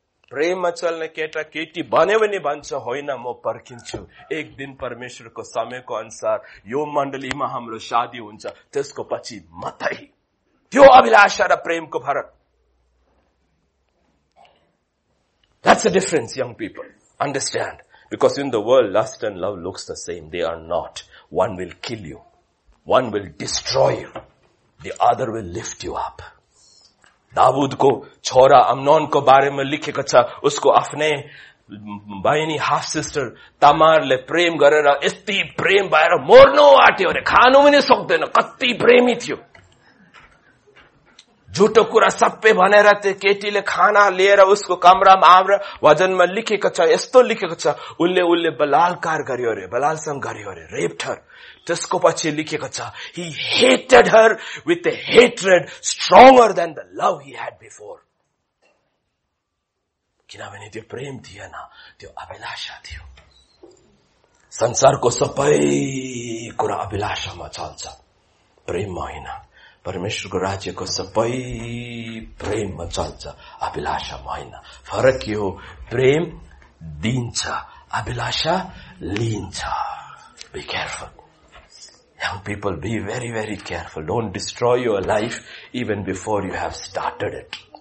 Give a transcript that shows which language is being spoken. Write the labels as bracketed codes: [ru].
[ne] प्रेममा चल्ने केटा केटी भन्यो भने भन्छ, होइन म पर्खिन्छु, एक दिन परमेश्वरको समयको अनुसार यो मण्डलीमा हाम्रो शादी हुन्छ, त्यसको पछि मात्रै। त्यो अभिलाषा र प्रेमको फरक, [en] That's a difference young people, understand. Because in the world lust and love looks the same, they are not. One will kill you, one will destroy you, the other will lift you up. [ne] दाऊदको छोरा अम्नोनको बारेमा लेखेको छ, उसको आफ्नै बहिनी [en] half sister [ne] तमारले प्रेम गरेर यति प्रेम भएर मर्नु आँट्यो अरे, खानु पनि सक्दैन, कति प्रेमी थियो। झुटो कुरा सबै भनेर त्यो केटीले खाना लिएर उसको कमरामा आएर, वजनमा लेखेको छ, यस्तो लेखेको छ, उसले बलात्कार गर्यो अरे, बलात्सङ्ग गर्यो अरे, रेप्टर। [en] त्यसको पछि लेखेको छ, he hated her with a hatred stronger than the love he had before. [ne] किनभने त्यो प्रेम थिएन, त्यो अभिलाषा थियो। संसारको सबै कुरा अभिलाषामा चल्छ, प्रेममा होइन। परमेश्वरको राज्यको सबै प्रेममा चल्छ, अभिलाषामा होइन। फरक के हो? प्रेम दिन्छ, अभिलाषा लिन्छ। [en] Be careful Young people, be very, very careful. Don't destroy your life even before you have started it.